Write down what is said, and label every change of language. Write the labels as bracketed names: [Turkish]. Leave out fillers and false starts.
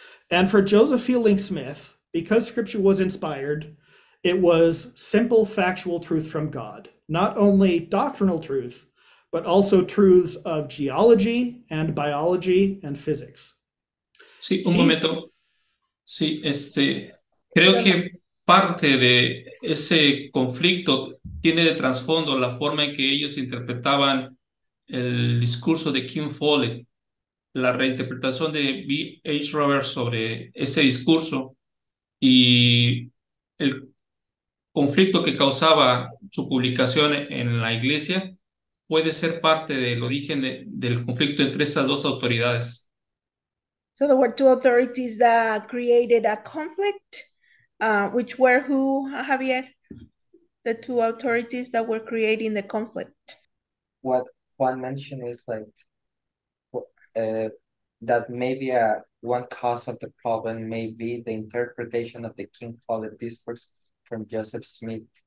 [English] And for Joseph Fielding Smith, because scripture was inspired, it was simple factual truth from God, not only doctrinal truth, but also truths of geology and biology and physics. [Spanish] Sí, un momento. Sí, creo que parte de ese conflicto tiene de trasfondo la forma en que ellos interpretaban el discurso de Kim Foley, la reinterpretación de B.H. Roberts sobre ese discurso y el conflicto que causaba su publicación en la iglesia puede ser parte del origen del conflicto entre esas dos autoridades. [English] So there were two authorities that created a conflict, which were who, Javier? The two authorities that were creating the conflict. What Juan mentioned is like that maybe one cause of the problem may be the interpretation of the King Follett discourse from Joseph Smith.